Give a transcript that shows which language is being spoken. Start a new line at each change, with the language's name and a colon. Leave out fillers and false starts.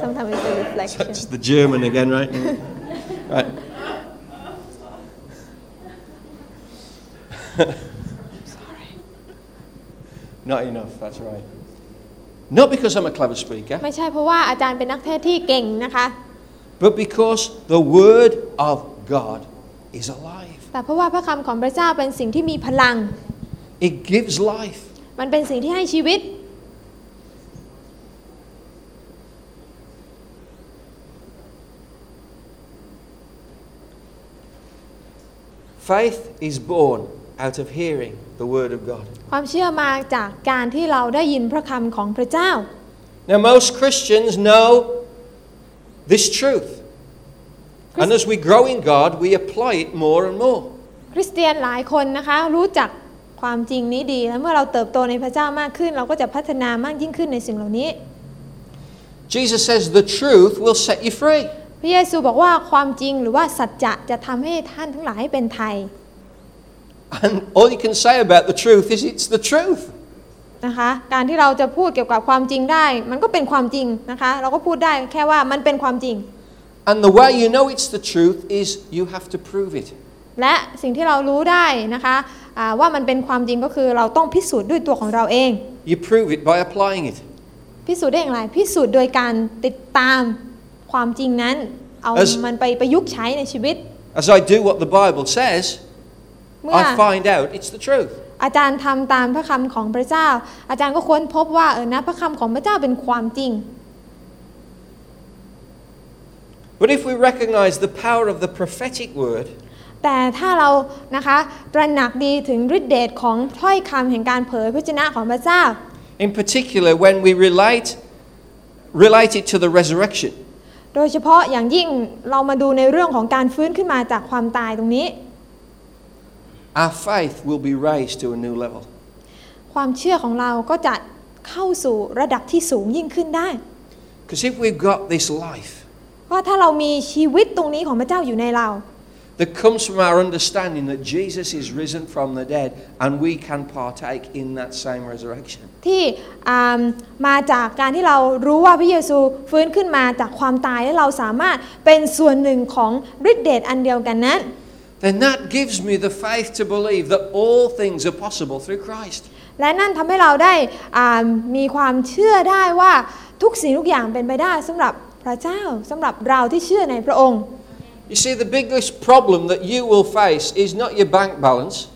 English: Sometimes it's a reflection. Such the German again, right? Right. Sorry. Not enough. That's right. Not because I'm a clever speaker.
Thai: ไม่ใช่เพราะว่าอาจารย์เป็นนักเทศที่เก่งนะคะ
English: But because the word of God is alive.
Thai: แต่เพราะว่าพระคำของพระเจ้าเป็นสิ่งที่มีพลัง
English: It gives life.
Thai: มันเป็นสิ่งที่ให้ชีวิต
English: Faith is born. out of hearing the word of God.
Thai: ความเชื่อมาจากการที่เราได้ยินพระคำของพระเจ้า
English: Now most Christians know this truth. And as we grow in God, we apply it more and more.
Thai: คริสเตียนหลายคนนะคะรู้จักความจริงนี้ดีแล้วเมื่อเราเติบโตในพระเจ้ามากขึ้นเราก็จะพัฒนามากยิ่งขึ้นในสิ่งเหล่านี้
English: Jesus says the truth will set you free.
Thai: พระเยซูบอกว่าความจริงหรือว่าสัจจะจะทำให้ท่านทั้งหลายเป็นไทย
English: And all you can say about the truth is it's the truth.
Thai: นะคะการที่เราจะพูดเกี่ยวกับความจริงได้มันก็เป็นความจริงนะคะเราก็พูดได้แค่ว่ามันเป็นความจริง
English: And the way you know it's the truth is you have to prove it.
Thai: และสิ่งที่เรารู้ได้นะคะว่ามันเป็นความจริงก็คือเราต้องพิสูจน์ด้วยตัวของเราเอง
English: You prove it by applying it.
Thai: พิสูจน์ได้อย่างไรพิสูจน์โดยการติดตามความจริงนั้นเอามันไปประยุกต์ใช้ในชีวิต
English: As I do what the Bible says. I find out it's the truth.
Thai: อาจารย์ทำตามพระคำของพระเจ้าอาจารย์ก็ค้นพบว่าเออนะพระคำของพระเจ้าเป็นความจริง
English: But if we recognize the power of the prophetic word,
Thai: แต่ถ้าเรานะคะตระหนักดีถึงฤทธิ์เดชของถ้อยคำแห่งการเผยพระวจนะของพระเจ้า
English: In particular, when we relate it to the resurrection,
Thai: โดยเฉพาะอย่างยิ่งเรามาดูในเรื่องของการฟื้นขึ้นมาจากความตายตรงนี้
English: Our faith will be raised to a new level.
Thai: ความเชื่อของเราก็จะเข้าสู่ระดับที่สูงยิ่งขึ้นได้
English: Because if we've got this life,
Thai: ว่าถ้าเรามีชีวิตตรงนี้ของพระเจ้าอยู่ในเรา
English: that comes from our understanding that Jesus is risen from the dead and we can partake in that same resurrection.
Thai: ที่มาจากการที่เรารู้ว่าพระเยซูฟื้นขึ้นมาจากความตายและเราสามารถเป็นส่วนหนึ่งของฤทธิ์เดชอันเดียวกันนั้น
English: Then that gives me the faith to believe that all things are possible through Christ.
Thai: และนั่นทำให้เราได้มีความเชื่อได้ว่าทุกสิ่งทุกอย่างเป็นไปได้สำหรับพระเจ้าสำหรับเราที่เชื่อในพระองค์
English: You see, the biggest problem that you will face is not your bank balance.